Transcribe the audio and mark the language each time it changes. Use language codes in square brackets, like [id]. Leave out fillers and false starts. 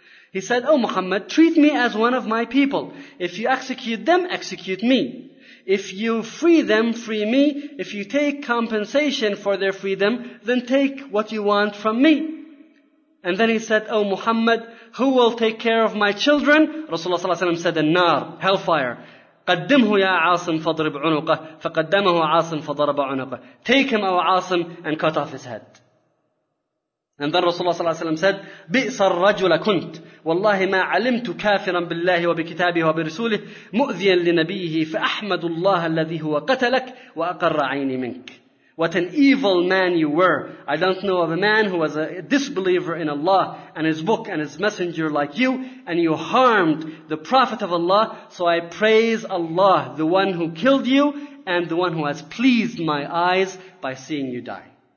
[en] He said, oh Muhammad, treat me as one of my people. If you execute them, execute me. If you free them, free me. If you take compensation for their freedom, then take what you want from me. And then he said, oh Muhammad, who will take care of my children? Rasulullah ﷺ said, النار, hellfire. [ar] قدمه يا عاصم فضرب عنقه فقدمه عاصم فضرب عنقه. [en] Take him, O Asim, and cut off his head. And then Rasulullah صلى الله عليه وسلم said, [ar] بئس الرجل كنت والله ما علمت كافرا بالله وبكتابه وبرسوله مؤذيا لنبيه فأحمد الله الذي هو قتلك وأقر عيني منك. [en] What an evil man you were. I don't know of a man who was a disbeliever in Allah and his book and his messenger like you, and you harmed the Prophet of Allah, so I praise Allah, the one who killed you and the one who has pleased my eyes by seeing you die.